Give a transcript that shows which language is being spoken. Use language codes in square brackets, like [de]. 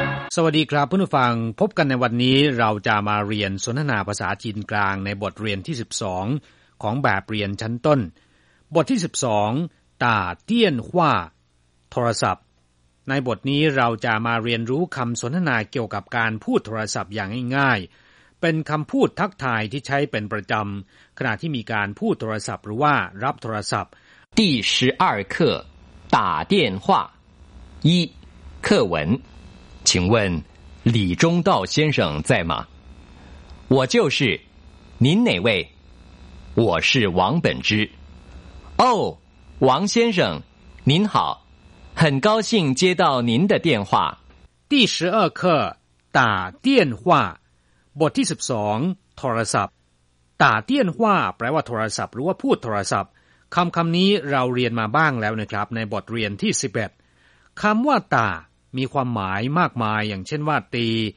[th] สวัสดีครับเพื่อนผู้ฟังพบกันในวันนี้เราจะมาเรียนสนทนาภาษาจีนกลางในบทเรียนที่12ของแบบเรียนชั้นต้นบทที่12ต่าเตี้ยนขว่าโทรศัพท์ในบทนี้เราจะมาเรียนรู้คำสนทนาเกี่ยวกับการพูดโทรศัพท์อย่างง่ายๆเป็นคำพูดทักทายที่ใช้เป็นประจำขณะที่มีการพูดโทรศัพท์หรือว่ารับโทรศัพท์ [zh] 第十二课打电话一课文请问李中道先生在吗我就是您哪位我是王本之哦王先生您好很高兴接到您的电话第十二课打电话 [th] บทที่12โทรศัพท์打电话แปลว่าโทรศัพท์หรือว่าพูดโทรศัพท์คำนี้เราเรียนมาบ้างแล้วนะครับในบทเรียนที่11คำว่าตามีความหมายมากมายอย่างเช่นว่าตี